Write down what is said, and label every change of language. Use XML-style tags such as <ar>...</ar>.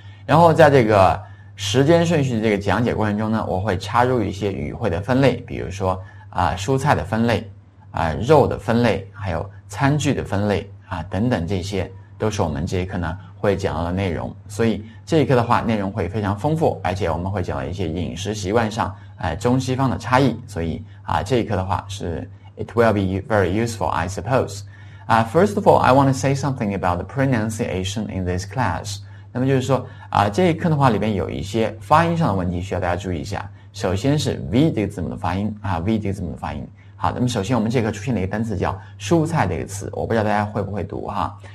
<zh>然后在这个时间顺序这个讲解过程中呢，我会插入一些语汇的分类，比如说啊蔬菜的分类啊、肉的分类，还有餐具的分类啊等等，这些都是我们这一课呢会讲到的内容。所以这一课的话内容会非常丰富，而且我们会讲到一些饮食习惯上中西方的差异。所以啊这一课的话是</zh> <en>it will be very useful, I suppose. First of all, I want to say something about the pronunciation in this class.</en> <zh>那么就是说啊这一课的话里面有一些发音上的问题需要大家注意一下。首先是 V 这个字母的发音啊 ,V 这个字母的发音。好，那么首先我们这课出现了一个单词叫蔬菜这个词，我不知道大家会不会读哈。</zh>